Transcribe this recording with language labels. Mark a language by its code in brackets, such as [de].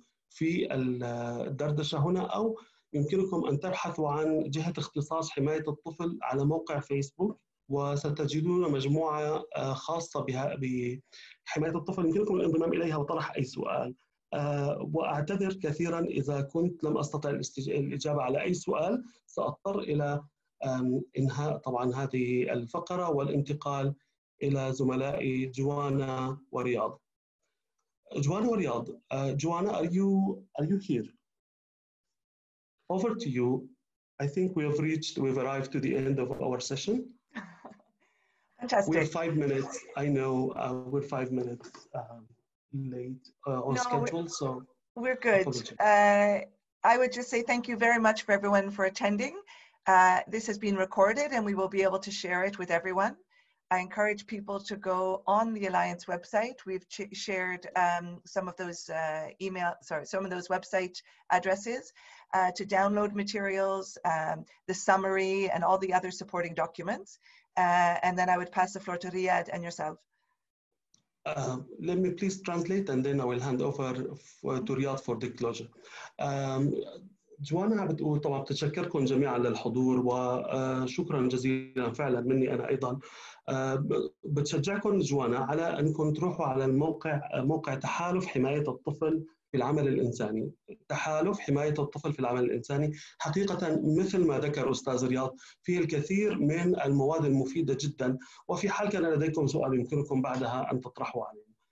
[ar] في الدردشة هنا أو يمكنكم أن تبحثوا عن جهة اختصاص حماية الطفل على موقع فيسبوك وستجدون مجموعة خاصة بها بحماية الطفل يمكنكم الانضمام إليها وطرح أي سؤال وأعتذر كثيراً إذا كنت لم أستطع الإجابة على أي سؤال سأضطر إلى إنهاء طبعاً هذه الفقرة والانتقال إلى زملائي جوانا ورياض [en] Joanna ورياض Joanna are you here over to you I think we've arrived to the end of our session fantastic we're 5 minutes I know we're 5 minutes late on schedule so we're good I would just say thank you very much for everyone for attending this has been recorded and we will be able to share it with everyone I encourage people to go on the Alliance website. We've shared some of those website addresses to download materials, the summary, and all the other supporting documents. And then I would pass the floor to Riyad and yourself. Let me please translate and then I will hand over to Riyadh for the closure. [ar] جوانا بتقول طبعا بتشكركم جميعا للحضور وشكرا جزيلا فعلا مني انا ايضا بتشجعكم جوانا على انكم تروحوا على موقع تحالف حماية الطفل في العمل الانساني. تحالف حماية الطفل في العمل الانساني حقيقة مثل ما ذكر استاذ رياض فيه الكثير من المواد المفيدة جدا وفي حال كان لديكم سؤال يمكنكم بعدها ان تطرحوا عليه.